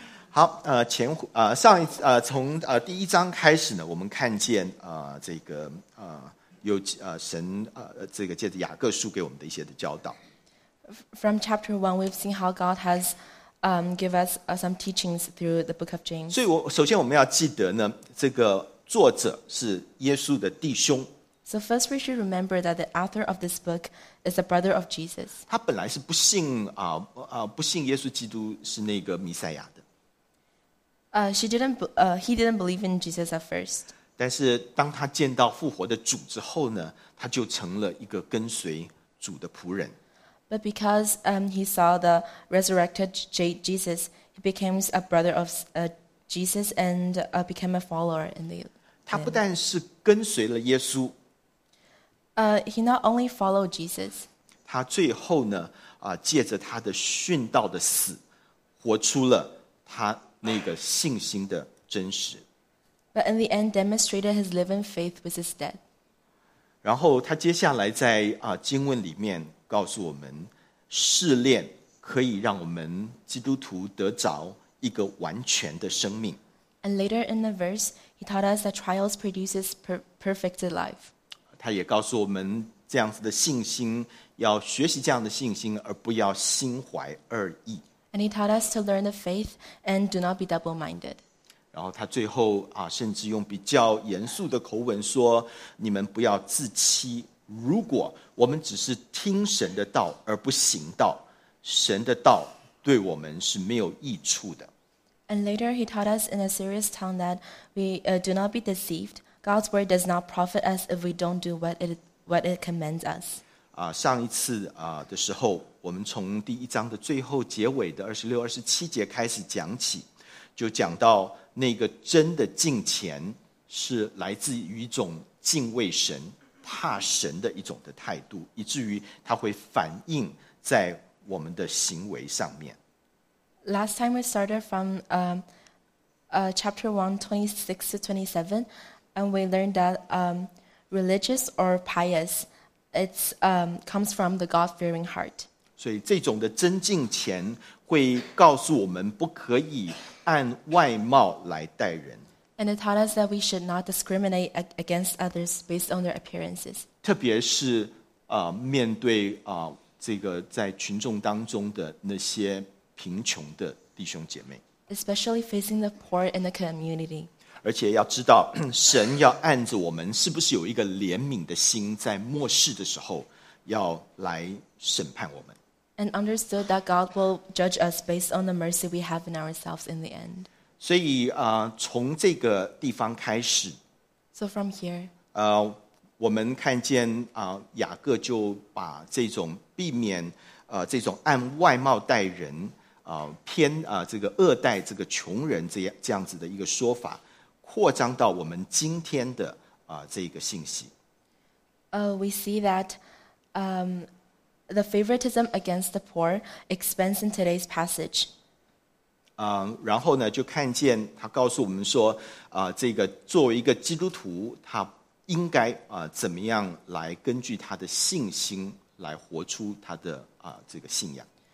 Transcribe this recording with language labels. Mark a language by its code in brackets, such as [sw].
[zh] 好，上一次从第一章开始呢，我们看见这个有神这个借着雅各书给我们的一些的教导。 [en] From chapter one, we've seen how God has give us some teachings through the book of James. [zh] 所以首先我们要记得呢，这个作者是耶稣的弟兄。 [en] So first, we should remember that the author of this book is the brother of Jesus. [zh] 他本来是不信不信耶稣基督是那个弥赛亚的。 [en] He didn't believe in Jesus at first. [zh] 但是当他见到复活的主之后呢，他就成了一个跟随主的仆人。 [en] But because he saw the resurrected Jesus, he became a brother of Jesus and became a follower in the. [zh] 他不但是跟随了耶稣。 [en] He not only followed Jesus. [zh] 他最后呢，借着他的殉道的死，活出了他那个信心的真实。 [en] But in the end, demonstrated his living faith with his death. [zh] 然后他接下来在经文里面告诉我们，试炼可以让我们基督徒得着一个完全的生命。 [en] And later in the verse, he taught us that trials produces perfect life. [zh] 他也告诉我们这样子的信心，要学习这样的信心，而不要心怀二意。 [en] And he taught us to learn the faith and do not be double-minded. [zh] 然后他最后甚至用比较严肃的口吻说，你们不要自欺，如果我们只是听神的道而不行道，神的道对我们是没有益处的。 [en] And later he taught us in a serious tone that we do not be deceived. God's word does not profit us if we don't do what it commands us. [zh] 上一次的时候，我们从第一章的最后结尾的26、27节开始讲起，就讲到那个真的敬虔是来自于一种敬畏神、怕神的一种的态度，以至于它会反映在我们的行为上面。 [en] Last time we started from chapter 1:26-27. And we learned that religious or pious, it's comes from the God-fearing heart. [zh] 所以这种的真敬虔会告诉我们不可以按外貌来待人。 [en] And it taught us that we should not discriminate against others based on their appearances. [zh] 特别是面对这个在群众当中的那些贫穷的弟兄姐妹。 [en] Especially facing the poor in the community. [zh] 而且要知道，神要按着我们是不是有一个怜悯的心，在末世的时候要来审判我们。 [en] And understood that God will judge us based on the mercy we have in ourselves in the end. [zh] 所以从这个地方开始。 [en] So from here. [zh] 我们看见雅各就把这种避免这种按外貌待人偏这个恶待这个穷人这样子的一个说法。扩张到我们今天的这个信息。 [en] We see that the favoritism against the poor expands in today's passage. [zh] 然后呢，就看见他告诉我们说，这个作为一个基督徒，他应该怎么样来根据他的信心来活出他的这个信仰。